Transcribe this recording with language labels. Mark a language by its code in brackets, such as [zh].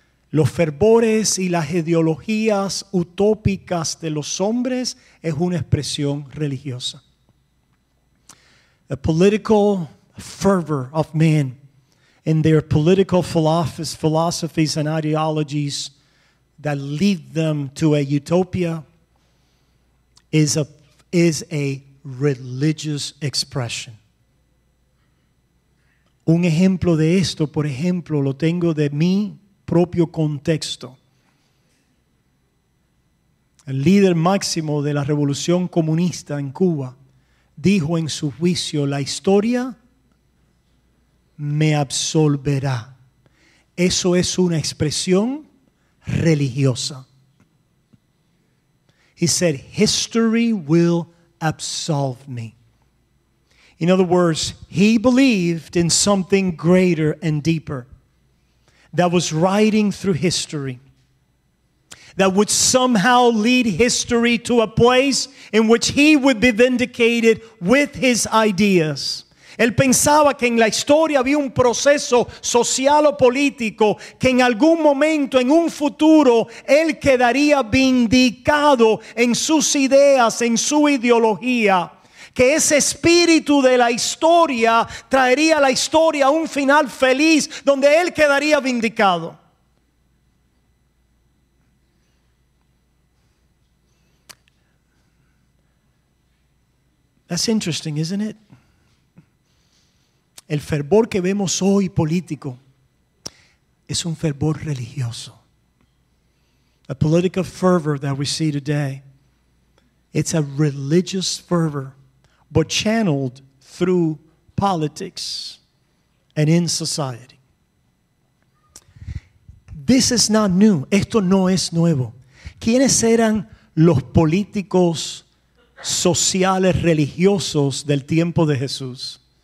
[es] Los fervores y las ideologías utópicas de los hombres es una expresión religiosa. [en] The political fervor of men and their political philosophies and ideologies that lead them to a utopia is a religious expression. [es] Un ejemplo de esto, por ejemplo, lo tengo de mi propio contexto. El líder máximo de la revolución comunista en Cuba dijo en su juicio: la historia me absolverá. Eso es una expresión religiosa. [en] He said, history will absolve me. In other words, he believed in something greater and deeper that was riding through history, that would somehow lead history to a place in which he would be vindicated with his ideas. [es] Él pensaba que en la historia había un proceso social o político que en algún momento, en un futuro, él quedaría vindicado en sus ideas, en su ideología. Que ese espíritu de la historia traería a la historia a un final feliz donde él quedaría vindicado. [en] That's interesting, isn't it? [es] El fervor que vemos hoy político es un fervor religioso. [en] A political fervor that we see today, it's a religious fervor, but channeled through politics and in society. This is not new. [es] Esto no es nuevo. ¿Quiénes eran los políticos sociales religiosos del tiempo de Jesús?